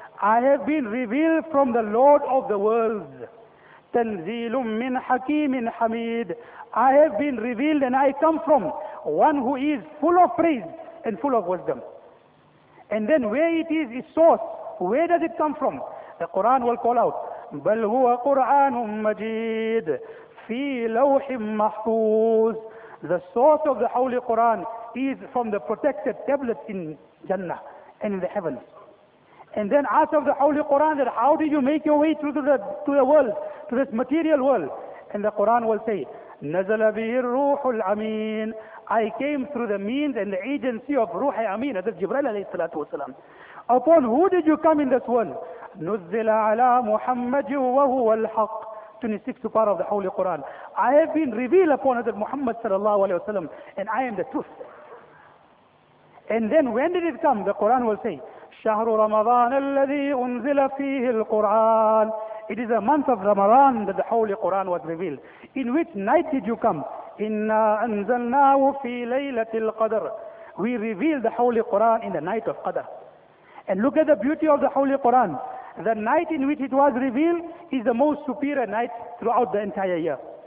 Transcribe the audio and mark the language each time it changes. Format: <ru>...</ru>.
<en>I have been revealed from the Lord of the worlds.</en> <ar>تَنْزِيلٌ مِّن حَكِيمٍ حَمِيدٍ.</ar> <en>I have been revealed and I come from one who is full of praise and full of wisdom. And then where it is, its source, where does it come from? The Quran will call out,</en> <ar>بَلْ هُوَ قُرْآنٌ مَّجِيدٌ فِي لَوْحٍ مَّحْفُوظٍ.</ar> <en>The source of the Holy Quran is from the protected tablet in Jannah and in the heavens. And then ask of the Holy Quran that how did you make your way through to the world, to this material world? And the Quran will say,</en> <ar>نَزَلَ بِهِ الرُّوحُ الْأَمِينَ.</ar> <en>I came through the means and the agency of Ruhi Amin, as Jibreel alayhi salatu wasalam. Upon who did you come in this world?</en> <ar>نُزِّلَ عَلَى مُحَمَّدٍ وَهُوَ الْحَقِّ.</ar> <en>26th part of the Holy Quran. I have been revealed upon Hazrat Muhammad sallallahu alayhi wa sallam, and I am the truth. And then when did it come? The Quran will say,</en> <ar>شَهْرُ رَمَضَانَ الَّذِي أُنزِلَ فِيهِ الْقُرْآنِ.</ar> <en>It is a month of Ramadan that the Holy Quran was revealed. In which night did you come?</en> <ar>إِنَّا أَنزَلْنَاهُ فِي لَيْلَةِ الْقَدْرِ.</ar> <en>We revealed the Holy Quran in the night of Qadr. And look at the beauty of the Holy Quran. The night in which it was revealed is the most superior night throughout the entire year.</en>